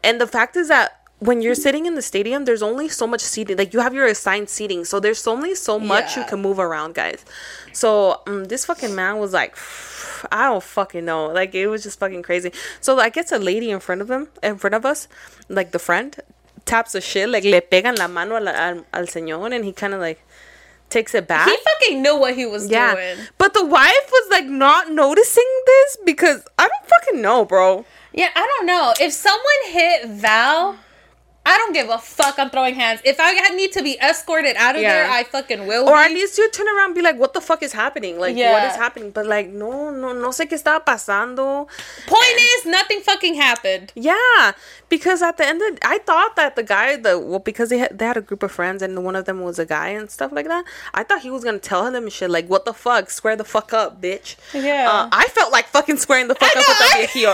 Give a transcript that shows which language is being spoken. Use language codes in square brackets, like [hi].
[en] And the fact is that when you're sitting in the stadium, there's only so much seating. Like, you have your assigned seating. So there's only so much you can move around, guys. So this fucking man was like, I don't fucking know. Like, it was just fucking crazy. So I guess a lady in front of him, in front of us, like the friend, taps the shit. [es] Like, le pegan la mano al señor. [en] And he kind of like takes it back. He fucking knew what he was doing. But the wife was like not noticing this because I don't fucking know, bro. Yeah, I don't know. If someone hit Val, I don't give a fuck. I'm throwing hands. If I need to be escorted out of there, I fucking will be. Or at least you turn around and be like, what the fuck is happening? Like, what is happening? But like, [es] no sé qué estaba pasando. [en] Point is, nothing fucking happened. Yeah. Because at the end of, I thought that the guy, because they had a group of friends and one of them was a guy and stuff like that. I thought he was going to tell them shit. Like, what the fuck? Square the fuck up, bitch. Yeah. I felt like fucking squaring the fuck up with that viejillo.